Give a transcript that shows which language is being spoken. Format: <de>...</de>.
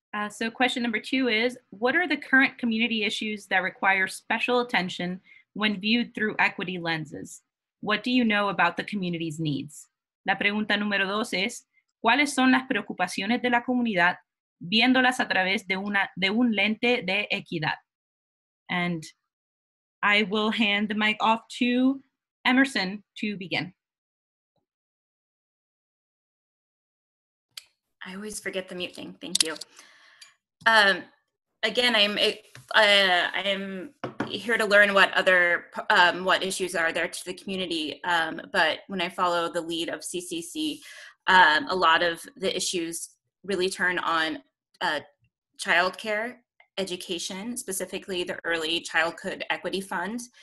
<en>So question number two is, what are the current community issues that require special attention when viewed through equity lenses? What do you know about the community's needs?</en> <es>La pregunta número dos es, ¿cuáles son las preocupaciones de la comunidad viéndolas a través de una de un lente de equidad?</es> <en>And I will hand the mic off to Emerson to begin. I always forget the mute thing, thank you. Again, I'm here to learn what other, what issues are there to the community, but when I follow the lead of CCC, a lot of the issues really turn on childcare, education, specifically the Early Childhood Equity Fund.</en>